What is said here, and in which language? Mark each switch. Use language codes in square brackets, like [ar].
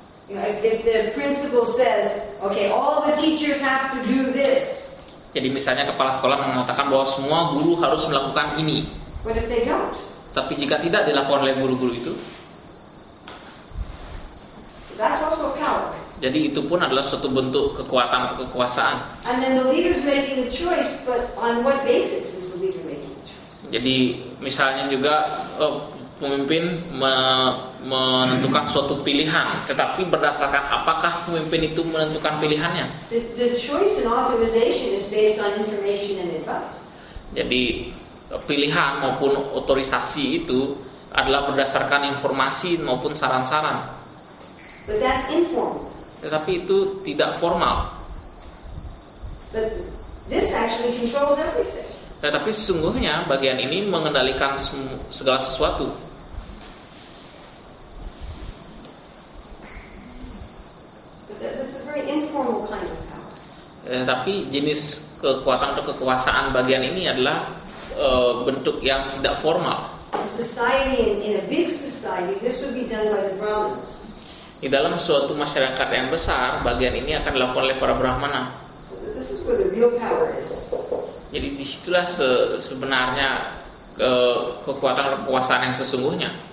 [en] If the principal says, okay, all the teachers have to do this. [id] Jadi misalnya kepala sekolah mengatakan bahwa semua guru harus melakukan ini. [en] What if they don't? [id] Tapi jika tidak dilakukan oleh guru-guru itu? [en] That's also power. [id] Jadi itu pun adalah suatu bentuk kekuatan atau kekuasaan. [en] And then the leader's making the choice, but on what basis is the leader making the choice? [id] Jadi misalnya juga pemimpin menentukan suatu pilihan, tetapi berdasarkan apakah pemimpin itu menentukan pilihannya? [en] The choice and authorization is based on information and advice. [id] Jadi pilihan maupun otorisasi itu adalah berdasarkan informasi maupun saran-saran. [en] But that's informal. [id] Tetapi itu tidak formal. [en] This actually controls everything. [id] Tetapi sesungguhnya bagian ini mengendalikan segala sesuatu. [en] That's a very informal kind of power. [id] Tetapi jenis kekuatan atau kekuasaan bagian ini adalah bentuk yang tidak formal. [en] In society, in a big society, this would be done by the Brahmins. [id] di dalam suatu masyarakat yang besar, bagian ini akan dilakukan oleh para brahmana. [en] This is where the real power is. [id] Jadi disitulah sebenarnya kekuatan kekuasaan yang sesungguhnya.